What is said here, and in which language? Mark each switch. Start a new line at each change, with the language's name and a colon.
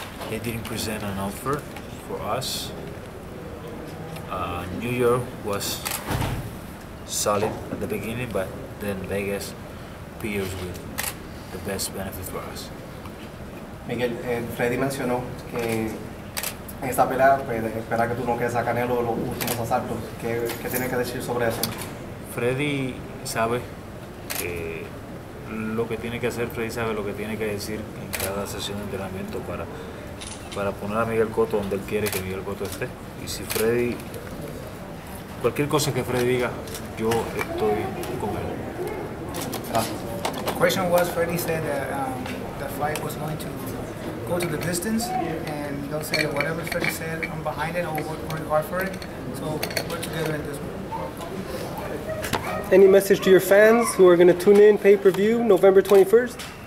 English: They didn't present an offer for us. New York was solid at the beginning, but then Vegas appears with the best benefit for us.
Spanish: Miguel, Freddy mencionó que en esta pelea espera que tú no quedes a Canelo los últimos asaltos. ¿Qué tiene que decir sobre eso? Freddy sabe que lo que tiene que hacer, Freddy sabe lo que tiene que decir en cada sesión de entrenamiento para poner a Miguel Cotto donde él quiere que Miguel Cotto esté. Y si Freddy, cualquier cosa que Freddy diga, yo estoy con él. Gracias.
English: Question was, Freddy said that the fight was going to go to the distance, and they'll say whatever Freddy said, I'm behind it, I'll work hard for it. So we're together in this one. Any message to your fans who are going to tune in pay-per-view November 21st?